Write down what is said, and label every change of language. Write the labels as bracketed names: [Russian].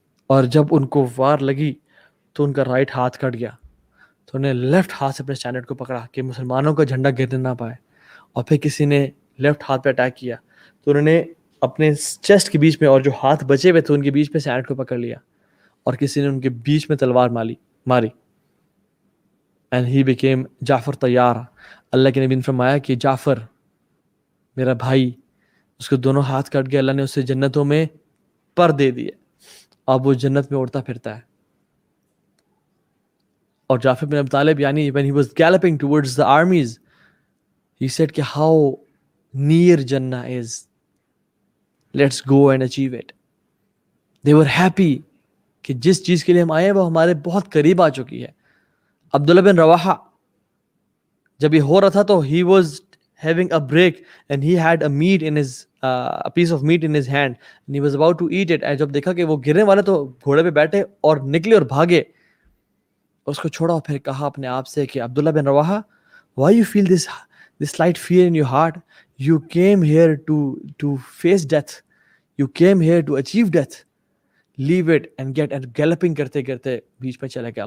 [Urdu] اور جب ان کو وار لگی تو ان کا رائٹ ہاتھ کٹ گیا, تو انہیں لیفٹ ہاتھ سے اپنے اسٹینڈرڈ کو پکڑا کہ مسلمانوں کا جھنڈا گرنے نہ پائے, اور پھر کسی نے لیفٹ ہاتھ پہ اٹیک کیا تو انہوں نے اپنے چیسٹ کے بیچ میں اور جو ہاتھ بچے ہوئے تھے ان کے بیچ میں سینٹ کو پکڑ لیا, اور کسی نے ان کے بیچ میں تلوار ماری. [English] and he became [Urdu] جعفر تیار. اللہ کے نبی نے فرمایا کہ جعفر میرا بھائی, اس کے دونوں ہاتھ کٹ گئے, اللہ نے اسے جنتوں میں پر دے دیے, اب وہ جنت میں اڑتا پھرتا ہے. اور جعفر بن ابی طالب, یعنی [English] when he was galloping towards the armies, he said کہ how near Jannah is, let's go and achieve it. They were happy [Urdu] کہ جس چیز کے لیے ہم آئے ہیں وہ ہمارے بہت قریب آ چکی ہے. عبداللہ بن رواحہ جب یہ ہو رہا تھا تو [English] he was having a break and he had a meat in his a piece of meat in his hand and he was about to eat it, and [Urdu] جب دیکھا کہ وہ گرنے والے تو گھوڑے پہ بیٹھے اور نکلے اور بھاگے, اس کو چھوڑا اور پھر کہا اپنے آپ سے کہ [English] Abdullah bin Rawaha, why you feel this slight fear in your heart, you came here to face death, you came here to achieve death, leave it and get and galloping [Urdu] karte karte beech pe chala gaya.